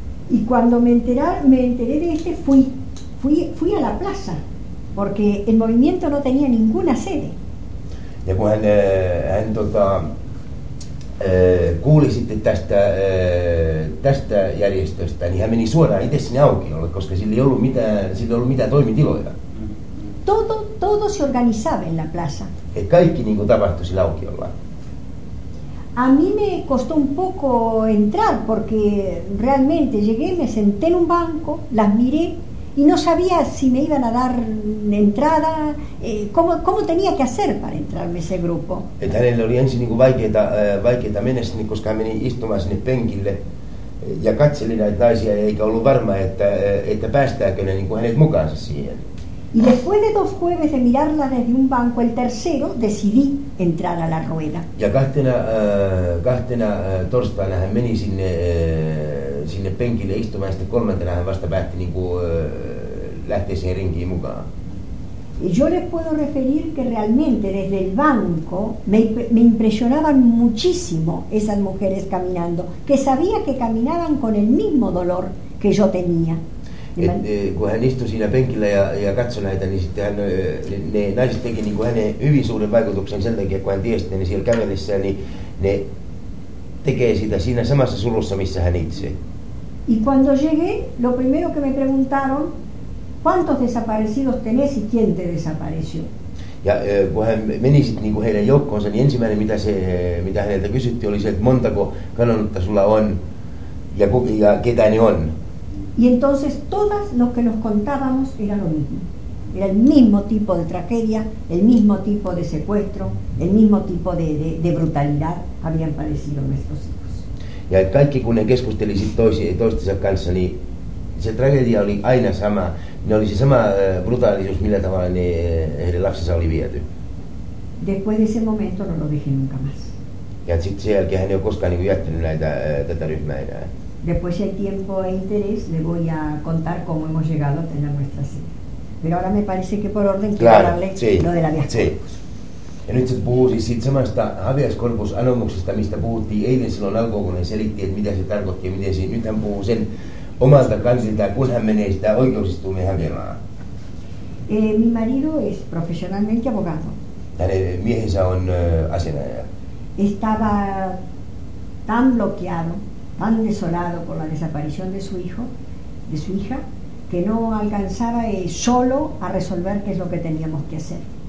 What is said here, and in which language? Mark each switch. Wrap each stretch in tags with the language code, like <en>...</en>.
<es>Y cuando me enteré de este, fui a la plaza, porque el movimiento no tenía ninguna sede.</es> <fi>Ja kun hän, hän tota, kuuli sitten tästä, tästä järjestöstä, niin hän meni suoraan itse sinne aukiolle, koska sillä ei ollut mitään, sillä ei ollut mitään toimitiloja.</fi> <es>Todo se organizaba en la plaza.</es> <fi>Et kaikki niin kuin tapahtui sillä aukiolla.</fi> <es>A mí me costó un poco entrar porque realmente llegué, me senté en un banco, las miré y no sabía si me iban a dar entrada, cómo tenía que hacer para entrarme ese grupo.</es> <fi>Et hänellä oli ensin niinku vaikeeta mennä sinne, koska hän meni istumaan sinne penkille ja katseli näitä naisia eikä ollut varma, että päästääkö ne niinku hänet mukaansa siihen.</fi> <es>Y después de 2 jueves de mirarla desde un banco, el tercero, decidí entrar a la rueda.</es> <fi>Ja kahtena torstaina hän meni sinne, sinne penkille istumaan, sitten kolmantena hän vasta päätti niin kuin, lähteä siihen rinkiin mukaan.</fi> <es>Yo les puedo referir que realmente desde el banco me impresionaban muchísimo esas mujeres caminando, que sabía que caminaban con el mismo dolor que yo tenía.</es> <fi>Kun hän istui siinä penkillä ja katsoi näitä, niin sitten hän, ne naiset teki niin kuin hänen hyvin suuren vaikutuksen sen takia, kun hän tiesi, että ne siellä kävelissä, niin ne tekee sitä siinä samassa sulussa, missä hän itse.</fi> <es>Y cuando llegué, lo primero que me preguntaron, ¿cuántos desaparecidos tenés y quién te desapareció?</es> <fi>Ja kun hän meni sitten niin kuin heidän joukkoonsa, niin ensimmäinen, mitä, se, mitä häneltä kysyttiin, oli se, että montako kadonnutta sulla on ja ketä ne on.</fi> <es>Y entonces todas los que nos contábamos era lo mismo. Era el mismo tipo de tragedia, el mismo tipo de secuestro, el mismo tipo de brutalidad habían padecido nuestros hijos.</es> <fi>Ja kaikki kun ne keskusteli toistensa kanssa, niin se tragedia oli aina sama. Ne oli se sama brutaalisuus, millä tavalla ne heidän lapsensa oli viety.</fi> <es>Después de ese momento no lo dejé nunca más.</es> <fi>Ja sitten sen jälkeen hän ei ole koskaan niin jättänyt näitä, tätä ryhmää enää.</fi> <es>Después, si hay tiempo e interés, le voy a contar cómo hemos llegado a tener nuestra sede. Pero ahora me parece que por orden claro, quiero darle</es> <fi>Ja nyt sä puhuisit siitä samasta habeas corpus -anomuksesta, mistä puhuttiin eilen silloin alkuun, kun hän selitti, että mitä se tarkoitti ja miten se... Nyt hän puhuu sen omalta kansiltaan, kun hän menee sitä oikeusistuimen hakemaan.</fi> <es>Mi marido es profesionalmente abogado.</es> <fi>Hänen miehensä on asianajaja.</fi> <es>Estaba tan bloqueado, tan desolado por la desaparición de su hijo, de su hija, que no alcanzaba solo a resolver qué es lo que teníamos que hacer.</es>